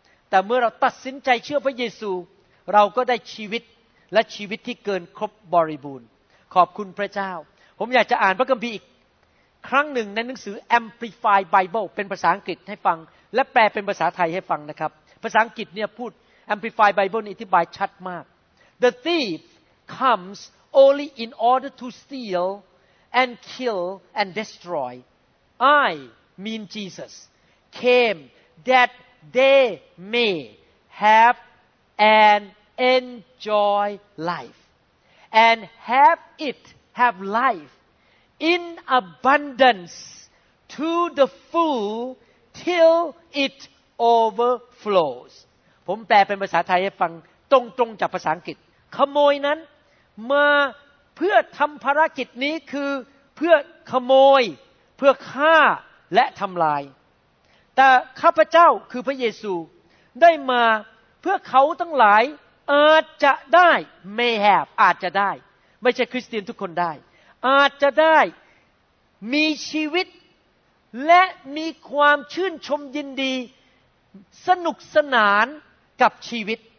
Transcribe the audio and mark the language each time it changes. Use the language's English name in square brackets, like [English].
[Thai] แต่เมื่อเราตัดสินใจเชื่อพระเยซูเราก็ได้ชีวิตและชีวิตที่เกินครบบริบูรณ์ขอบคุณพระเจ้าผมอยากจะอ่านพระคัมภีร์อีกครั้งหนึ่งในหนังสือ Amplified Bible เป็นภาษาอังกฤษให้ฟังและแปลเป็นภาษาไทยให้ฟังนะครับภาษาอังกฤษเนี่ยพูด Amplified Bible อธิบายชัดมาก [English] The thief comes only in order to steal and kill and destroy. I, mean Jesus, came that they may have and enjoy life and have it, have life in abundance to the full till it overflows. [Thai] ผมแปลเป็นภาษาไทยให้ฟังตรงๆจากภาษาอังกฤษขโมยนั้นมาเพื่อทำภารกิจนี้คือเพื่อขโมยเพื่อฆ่าและทำลาย แต่ข้าพเจ้าคือพระเยซูได้มาเพื่อเขาทั้งหลายอาจจะได้ [English] may have [Thai] อาจจะได้ไม่ใช่คริสเตียนทุกคนได้อาจจะได้มีชีวิตและมีความชื่นชมยินดีสนุกสนานกับชีวิต